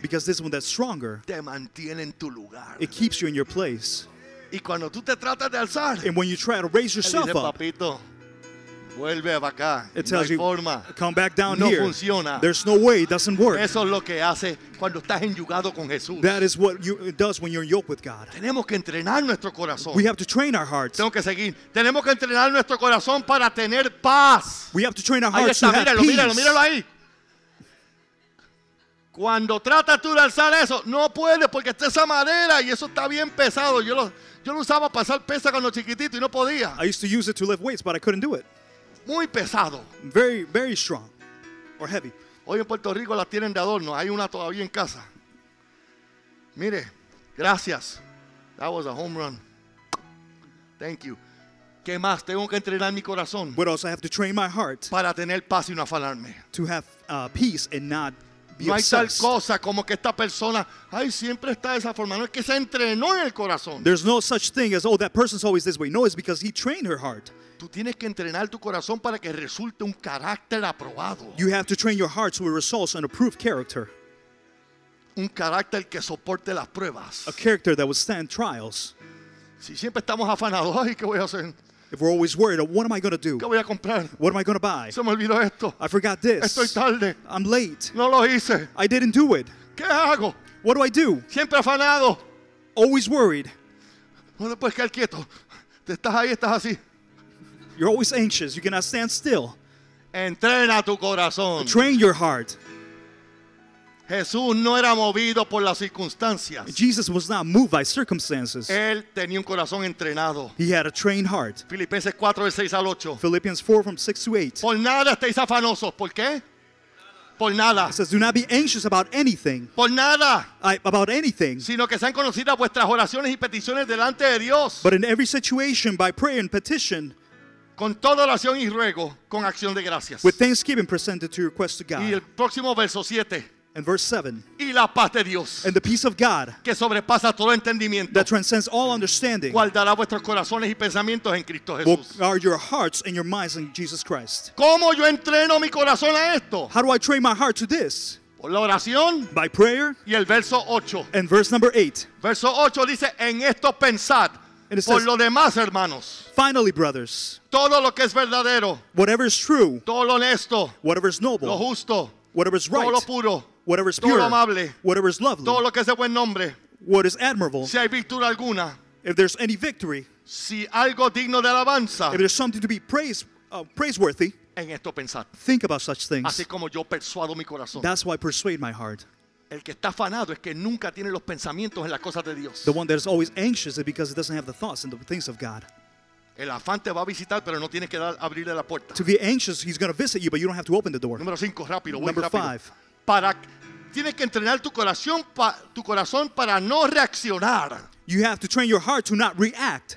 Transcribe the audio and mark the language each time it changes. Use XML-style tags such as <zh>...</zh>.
<en>Because this one that's stronger.</en> <es>Te mantiene en tu lugar.</es> <en>It keeps you in your place.</en> <es>Y cuando tú te tratas de alzar.</es> <en>And when you try to raise yourself</en> <es>dice,</es> <en>up.</en> <es>Papito, vuelve acá.</es> <en>It tells</en> <es>no hay</es> <en>you,</en> <es>forma.</es> <en>Come back down</en> <es>no</es> <en>here.</en> <es>Funciona.</es> <en>There's no way. It doesn't work.</en> <es>Eso es lo que hace cuando estás enyugado con Jesús.</es> <en>That is what it does when you're yoked with God.</en> <es>Tenemos que entrenar nuestro corazón.</es> <en>We have to train our hearts.</en> <es>Tengo que seguir. Tenemos que entrenar nuestro corazón para tener paz.</es> <en>We have to train our hearts</en> <es>ahí está,</es> <en>to</en> <es>míralo,</es> <en>have</en> <es>míralo,</es> <en>peace.</en> <es>Míralo, míralo ahí. Cuando tratas tú de alzar eso, no puedes porque está esa madera y eso está bien pesado. Yo lo usaba para hacer pesa cuando chiquitito y no podía.</es> <en>I used to use it to lift weights, but I couldn't do it.</en> <es>Muy pesado.</es> <en>Very, very strong. Or heavy.</en> <es>Hoy en Puerto Rico las tienen de adorno. Hay una todavía en casa. Mire, gracias.</es> <en>That was a home run. Thank you.</en> <es>¿Qué más? Tengo que entrenar mi corazón.</es> <en>What else? I have to train my heart.</en> <es>Para tener paz y no afanarme.</es> <en>To have peace and not be</en> <es>no hay tal cosa como que esta persona, ay, siempre está de esa forma. No es que se entrenó en el corazón.</es> <en>There's no such thing as, oh, that person's always this way. No, it's because he trained her heart.</en> <es>Tú tienes que entrenar tu corazón para que resulte un carácter aprobado.</es> <en>You have to train your heart so it results in an approved character.</en> <es>Un carácter que soporte las pruebas.</es> <en>A character that will stand trials.</en> <es>Si siempre estamos afanados, ay, ¿qué voy a hacer?</es> <en>If we're always worried, what am I going to do?</en> <es>¿Qué voy a comprar?</es> <en>What am I going to buy?</en> <es>Se me olvidó esto.</es> <en>I forgot this.</en> <es>Estoy tarde.</es> <en>I'm late.</en> <es>No lo hice.</es> <en>I didn't do it.</en> <es>¿Qué hago?</es> <en>What do I do?</en> <es>Siempre afanado.</es> <en>Always worried.</en> <es>No puedes quedar quieto. Te estás ahí, estás así.</es> <en>You're always anxious. You cannot stand still.</en> <es>Entrena tu corazón.</es> <en>Train your heart.</en> <es>Jesús no era movido por las circunstancias.</es> <en>Jesus was not moved by circumstances.</en> <es>Él tenía un corazón entrenado.</es> <en>He had a trained heart.</en> <es>Filipenses 4, 6 al 8.</es> <en>Philippians 4, from 6 to 8.</en> <es>Por nada estéis afanosos. ¿Por qué? Por nada.</es> <en>It says, do not be anxious about anything.</en> <es>Por nada.</es> <en>About anything.</en> <es>Sino que sean conocidas vuestras oraciones y peticiones delante de Dios.</es> <en>But in every situation, by prayer and petition,</en> <es>con toda oración y ruego, con acción de gracias.</es> <en>With thanksgiving presented to your request to God.</en> <es>Y el próximo verso 7.</es> <en>And verse 7.</en> <es>Y la paz de Dios,</es> <en>and the peace of God</en> <es>que sobrepasa todo entendimiento,</es> <en>that transcends all understanding,</en> <es>guardará vuestros corazones y pensamientos en Cristo Jesús.</es> <en>Will guard your hearts and your minds in Jesus Christ.</en> <es>¿Cómo yo entreno mi corazón a esto?</es> <en>How do I train my heart to this?</en> <es>Por la oración.</es> <en>By prayer.</en> <es>Y el verso 8.</es> <en>And verse number 8.</en> <es>Verso 8 dice, en esto pensad.</es> <en>And it says,</en> <es>por lo demás, hermanos,</es> <en>finally, brothers,</en> <es>todo lo que es verdadero,</es> <en>whatever is true,</en> <es>todo lo honesto,</es> <en>whatever is noble,</en> <es>lo justo,</es> <en>whatever is right,</en> <es>todo lo puro,</es> <en>whatever is pure,</en> <es>amable,</es> <en>whatever is lovely,</en> <es>todo lo que es de buen nombre,</es> <en>what is admirable,</en> <es>si hay virtud alguna,</es> <en>if there's any victory,</en> <es>si algo digno de alabanza,</es> <en>if there's something to be praiseworthy,</en> <es>en esto pensar.</es> <en>Think about such things.</en> <es>Así como yo persuado mi corazón.</es> <en>That's why I persuade my heart.</en> <es>El que está afanado es que nunca tiene los pensamientos en las cosas de Dios.</es> <en>The one that is always anxious is because it doesn't have the thoughts and the things of God.</en> <es>El afán te va a visitar, pero no tienes que abrirle la puerta.</es> <en>To be anxious, he's going to visit you, but you don't have to open the door.</en> <es>Número 5, rápido.</es> <en>Number 5.</en> <es>Tienes que entrenar tu corazón para no reaccionar.</es> <en>You have to train your heart to not react.</en>